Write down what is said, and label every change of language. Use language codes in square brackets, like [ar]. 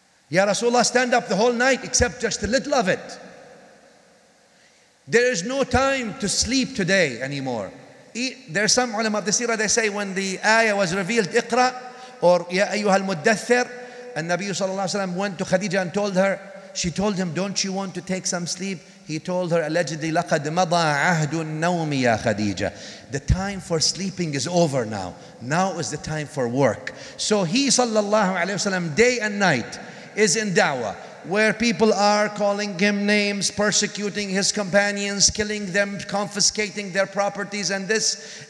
[en] Ya Rasulullah, stand up the whole night except just a little of it. There is no time to sleep today anymore. There are some ulama of the seerah, they say when the ayah was revealed, Iqra, or Ya ayyuha al-muddathir, and Nabi sallallahu alayhi wa sallam went to Khadija and told her, she told him, don't you want to take some sleep? He told her, allegedly, [ar] لَقَدْ مَضَى عَهْدُ النَّوْمِ يَا خَدِيجَ. [en] The time for sleeping is over now. Now is the time for work. So he sallallahu alayhi wa sallam, day and night, is in da'wah, where people are calling him names, persecuting his companions, killing them, confiscating their properties and this.